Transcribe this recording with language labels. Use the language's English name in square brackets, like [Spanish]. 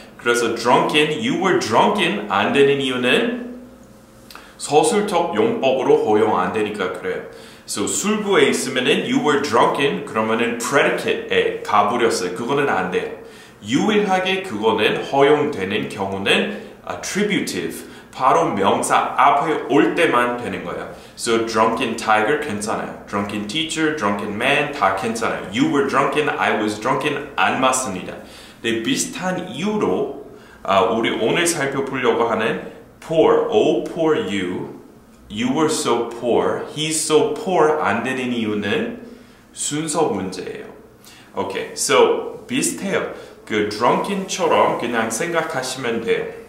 [Korean] 그래서 drunken, [English] you were drunken [Korean] 안 되는 이유는 서술적 용법으로 허용 안 되니까 그래요. So 술부에 있으면은 [English] you were drunken [Korean] 그러면은 predicate에 가버렸어요. 그거는 안 돼요. 유일하게 그거는 허용되는 경우는 attributive, 바로 명사 앞에 올 때만 되는 거예요. [English] So drunken tiger [Korean] 괜찮아요. [English] Drunken teacher, drunken man [Korean] 다 괜찮아요. [English] You were drunken, I was drunken [Korean] 안 맞습니다. 네, 비슷한 이유로 우리 오늘 살펴보려고 하는 poor, [English] oh poor you, you were so poor, [Korean] he's so poor 안 되는 이유는 순서 문제예요. [English] Okay, so [Korean] 비슷해요. 그 drunken처럼 그냥 생각하시면 돼요.